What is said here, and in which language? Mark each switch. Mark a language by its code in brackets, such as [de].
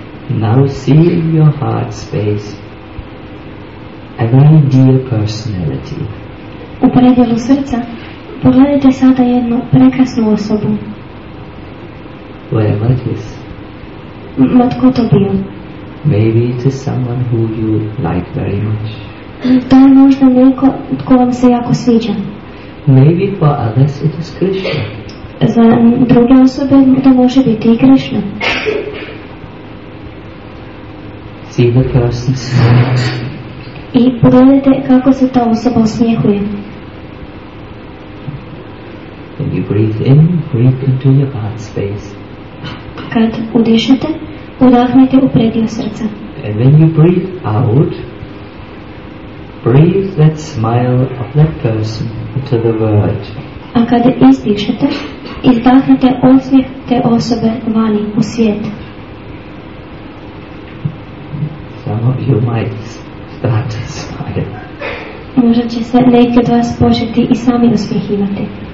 [en] Now see in your heart space a very dear personality. [hr] U predjelu srca pogledajte sada jednu prekrasnu osobu. [en] Whoever it is. [hr] Ma tko to bio? [en] Maybe it is someone who you like very much. [hr] To je možda neko tko vam se jako sviđa. [en] Maybe for others it is Krishna. [hr] Za druge osobe to može biti i Krishna. [en] See the person smile. [hr] I pogledajte kako se ta osoba osmijehuje. [en] When you breathe in, breathe into your heart space. [hr] Kad udišete, udahnite u predio srca. [en] And when you breathe out, breathe that smile of that person into the world. [hr] A kad izdišete, izdahnite osmijeh te osobe vani u svijet. [en] Some of you might start to smile. [hr] Možda će se neki od vas početi i sami usmjehivati.